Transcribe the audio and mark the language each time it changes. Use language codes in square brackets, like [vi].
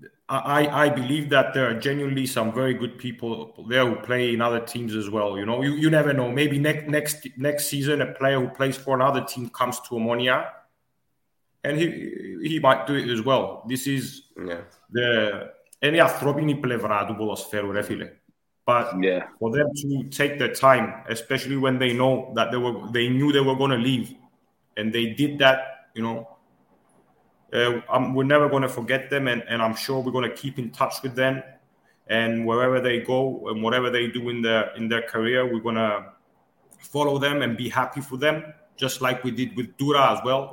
[en] I believe that there are genuinely some very good people there who play in other teams as well, you know. You never know. Maybe next season a player who plays for another team comes to Omonia and he might do it as well. This is yeah. the [el] Είναι η ανθρώπινη πλευρά του ποδοσφαίρου, ρε φίλε. [en] But for them to take the time, especially when they know that they knew they were going to leave, and they did that, you know, we're never going to forget them, and I'm sure we're going to keep in touch with them. And wherever they go and whatever they do in their career, we're going to follow them and be happy for them, just like we did with Dura as well.